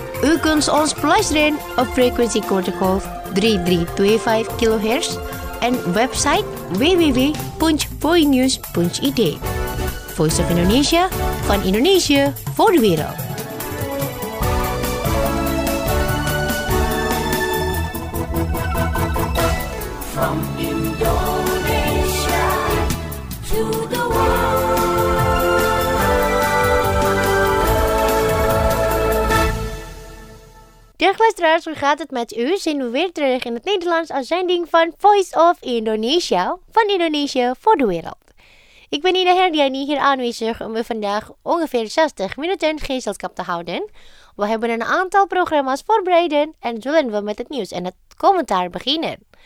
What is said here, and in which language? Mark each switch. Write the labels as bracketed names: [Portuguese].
[Dutch] U kunt ons beluisteren op frequentie kortegolf 3325 kHz en website www.voinews.id. Voice of Indonesia, van Indonesia voor de wereld. [English] From Indonesia to the world. [Dutch] Dag luisteraars, hoe gaat het met u? Zijn we weer terug in het Nederlands als zending van Voice of Indonesia, van Indonesia voor de wereld. Ik ben Ida Herdiani hier aanwezig om u vandaag ongeveer 60 minuten gezelschap te houden. We hebben een aantal programma's voorbereid en zullen we met het nieuws en het commentaar beginnen.